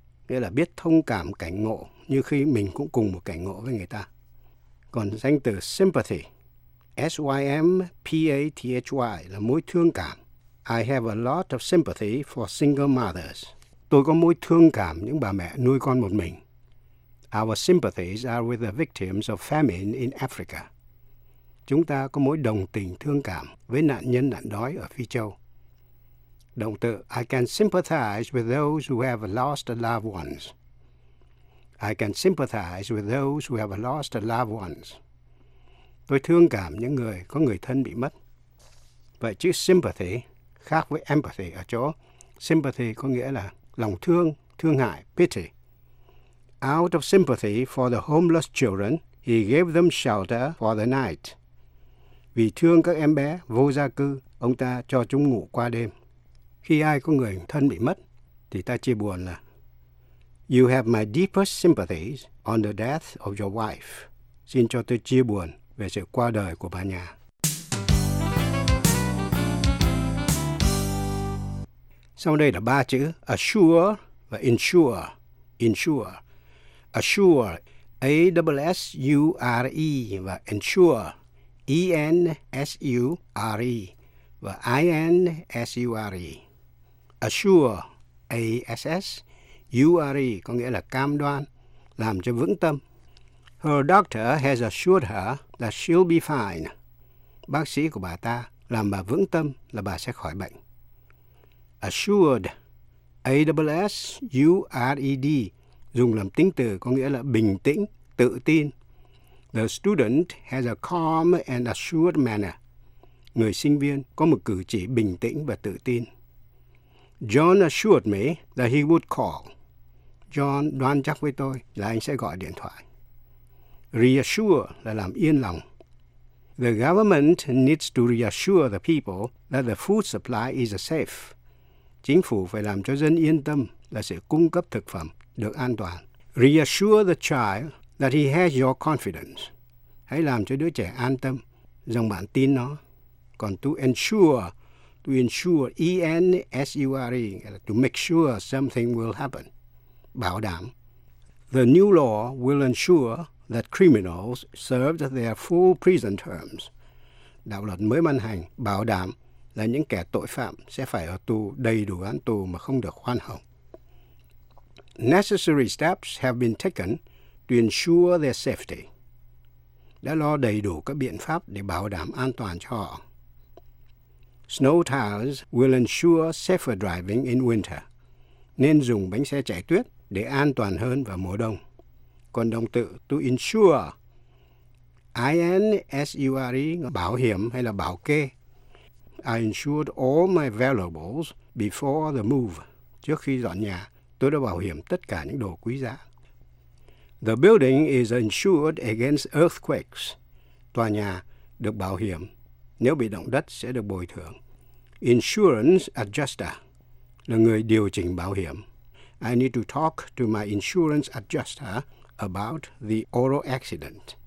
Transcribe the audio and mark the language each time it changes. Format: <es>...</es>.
<vi>Nghĩa là biết thông cảm cảnh ngộ như khi mình cũng cùng một cảnh ngộ với người ta. Còn danh từ sympathy. S-Y-M-P-A-T-H-Y là mối thương cảm.</vi> <en>I have a lot of sympathy for single mothers.</en> <vi>Tôi có mối thương cảm những bà mẹ nuôi con một mình.</vi> <en>Our sympathies are with the victims of famine in Africa.</en> <vi>Chúng ta có mối đồng tình thương cảm với nạn nhân nạn đói ở Phi Châu. Động từ</vi> <en>I can sympathize with those who have lost loved ones. I can sympathize with those who have lost loved ones.</en> <vi>Tôi thương cảm những người có người thân bị mất. Vậy chữ sympathy khác với empathy ở chỗ. Sympathy có nghĩa là lòng thương, thương hại, pity.</vi> <en>Out of sympathy for the homeless children, he gave them shelter for the night.</en> <vi>Vì thương các em bé vô gia cư, ông ta cho chúng ngủ qua đêm. Khi ai có người thân bị mất, thì ta chia buồn là</vi> <en>You have my deepest sympathies on the death of your wife.</en> <vi>Xin cho tôi chia buồn về sự qua đời của bà nhà. Sau đây là ba chữ assure và insure. Insure.</vi> <en>Assure, A-S-S-U-R-E và insure, E-N-S-U-R-E và I-N-S-U-R-E.</en> <vi>Assure, A-S-S-U-R-E có nghĩa là cam đoan, làm cho vững tâm.</vi> <en>Her doctor has assured her that she'll be fine.</en> <vi>Bác sĩ của bà ta làm bà vững tâm là bà sẽ khỏi bệnh.</vi> <en>Assured, A-S-S-U-R-E-D.</en> <vi>Dùng làm tính từ có nghĩa là bình tĩnh, tự tin.</vi> <en>The student has a calm and assured manner.</en> <vi>Người sinh viên có một cử chỉ bình tĩnh và tự tin.</vi> <en>John assured me that he would call.</en> <vi>John đoan chắc với tôi là anh sẽ gọi điện thoại. Reassure là làm yên lòng.</vi> <en>The government needs to reassure the people that the food supply is safe.</en> <vi>Chính phủ phải làm cho dân yên tâm là sẽ cung cấp thực phẩm được an toàn.</vi> <en>Reassure the child that he has your confidence.</en> <vi>Hãy làm cho đứa trẻ an tâm rằng bạn tin nó.</vi> <en>Còn to ensure, E-N-S-U-R-E, to make sure something will happen.</en> <vi>Bảo đảm.</vi> <en>The new law will ensure that criminals served their full prison terms.</en> <vi>Đạo luật mới ban hành bảo đảm là những kẻ tội phạm sẽ phải ở tù đầy đủ án tù mà không được khoan hồng.</vi> <en>Necessary steps have been taken to ensure their safety.</en> <vi>Đã lo đầy đủ các biện pháp để bảo đảm an toàn cho họ.</vi> <en>Snow tires will ensure safer driving in winter.</en> <vi>Nên dùng bánh xe chạy tuyết để an toàn hơn vào mùa đông. Còn động từ to insure, I-N-S-U-R-E, bảo hiểm hay là bảo kê.</vi> <en>I insured all my valuables before the move.</en> <vi>Trước khi dọn nhà, tôi đã bảo hiểm tất cả những đồ quý giá.</vi> <en>The building is insured against earthquakes.</en> <vi>Tòa nhà được bảo hiểm. Nếu bị động đất sẽ được bồi thường. Insurance adjuster là người điều chỉnh bảo hiểm.</vi> <en>I need to talk to my insurance adjuster about the auto accident.</en>